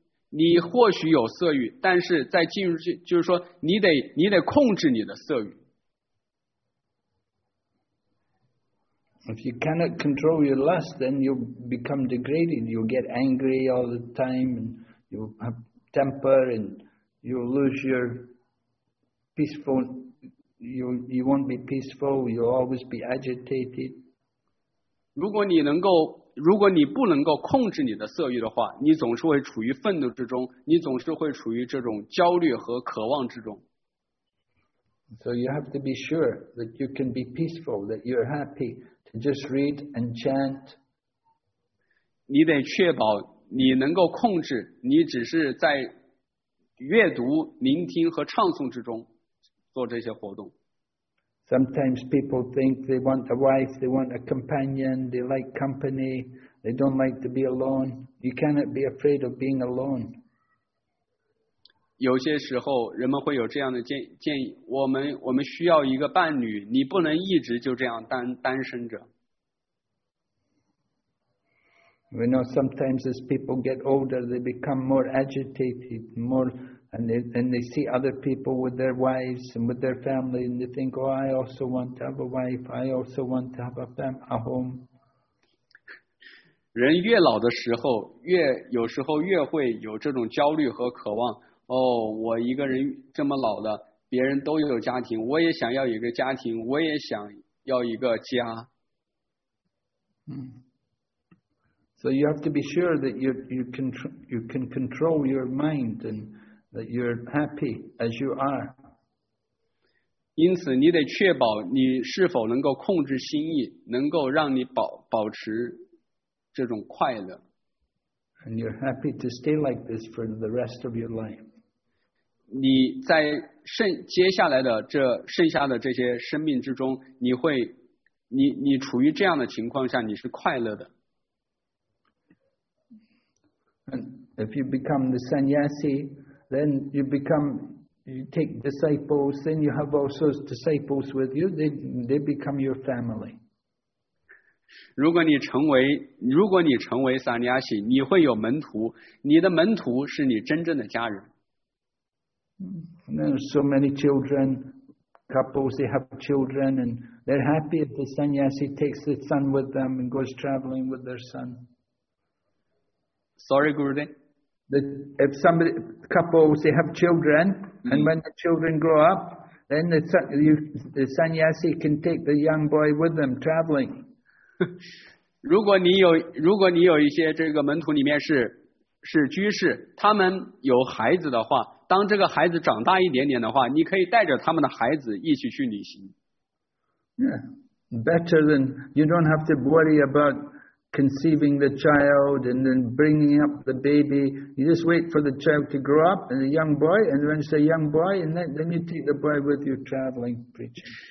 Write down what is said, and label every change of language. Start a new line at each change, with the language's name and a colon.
Chinese: 你或许有色欲，但是在进入，就是说你得控制你的色欲。
English: If you cannot control your lust, then you become degraded. You get angry all the time, and you have temper, and you lose your peaceful. You won't be peaceful. You'll always be agitated.
Chinese: 如果你不能够控制你的色欲的话，你总是会处于愤怒之中，你总是会处于这种焦虑和渴望之中。
English: So you have to be sure that you can be peaceful, that you're happy to just read and chant.
Chinese: 你得确保你能够控制，你只是在阅读、聆听和唱诵之中做这些活动。
English: Sometimes people think they want a wife, they want a companion, they like company, they don't like to be alone. You cannot be afraid of being alone.
Chinese: 有些时候人们会有这样的建议，我们需要一个伴侣，你不能一直就这样单身着。
English: We know sometimes as people get older, they become more agitated, And they see other people with their wives and with their family, and they think, "Oh, I also want to have a wife. I also want to have a home."
Chinese: 人越老的时候，有时候越会有这种焦虑和渴望。哦，我一个人这么老了，别人都有家庭，我也想要一个家庭，我也想要一个家。
English: So you have to be sure that you can control your mind and. That you're happy as you are.
Chinese: 因此，你得确保你是否能够控制心意，能够让你保持这种快乐。
English: And you're happy to stay like this for the rest of your life.
Chinese: 你在接下来的这些生命之中，你处于这样的情况下，你是快乐的。
English: And if you become the sannyasi. Then you take disciples, then you have all sorts of disciples with you, they become your family.
Chinese: 如果你成为 sannyasi, 你会有门徒，你的门徒是你真正的家人。
English: And then so many children, couples, they have children, and they're happy if the sannyasi takes the son with them and goes traveling with their son. Sorry, Gurudev. That if somebody, couples, they have children, and when the children grow up, then the sannyasi can take the young boy with them traveling.
Chinese: 如果你有一些这个门徒里面是居士，他们有孩子的话，当这个孩子长大一点点的话，你可以带着他们的孩子一起去旅行。
English: Yeah, better than you don't have to worry about. Conceiving the child and then bringing up the baby, you just wait for the child to grow up and a young boy, and when it's a young boy, and then you take the boy with you traveling preaching.